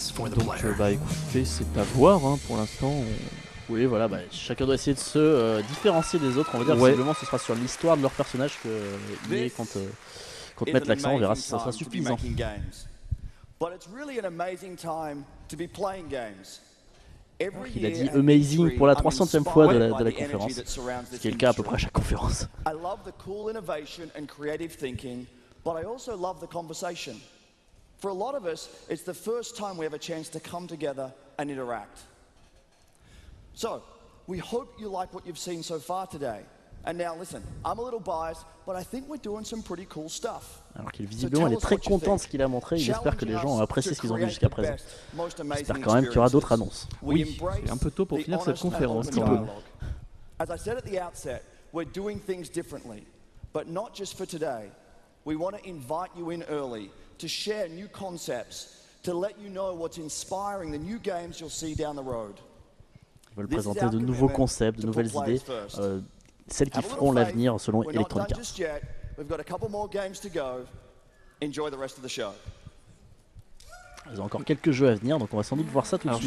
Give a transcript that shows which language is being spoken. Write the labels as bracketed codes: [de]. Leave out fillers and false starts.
[fr] Donc bah écoutez, c'est à voir hein, pour l'instant. Oui voilà, bah, chacun doit essayer de se différencier des autres, on va dire. Ouais. Simplement ce sera sur l'histoire de leur personnage qu'on te mette l'accent, on verra si ça sera suffisant. [en] But it's really an amazing time to be playing games. [fr] Il a dit amazing pour la 300e fois de la conférence, ce qui est le cas à peu près à chaque conférence. [en] I love the cool innovation and creative thinking, but I also love the conversation. For a lot of us, it's the first time we have a chance to come together and interact. So, we hope you like what you've seen so far today, And now listen, I'm a little biased, but I think we're doing some pretty cool stuff. [fr] Alors qu'il visiblement est très content de ce qu'il a montré, il espère que les gens ont apprécié ce qu'ils ont vu jusqu'à présent. J'espère quand même qu'il y aura d'autres annonces. Oui, c'est un peu tôt pour finir cette conférence. Un petit peu. [en] As I said at the outset, we're doing things differently, but not just for today. We want to invite you in early to share new concepts, to let you know what's inspiring the new games you'll see down the road. [fr] On va le présenter de nouveaux concepts, de nouvelles idées, celles qui feront l'avenir selon Electronic Arts. [en] We've got a couple more games to go. Enjoy the rest of the show. [fr] Ils ont encore quelques jeux à venir, donc on va sans doute voir ça tout de suite.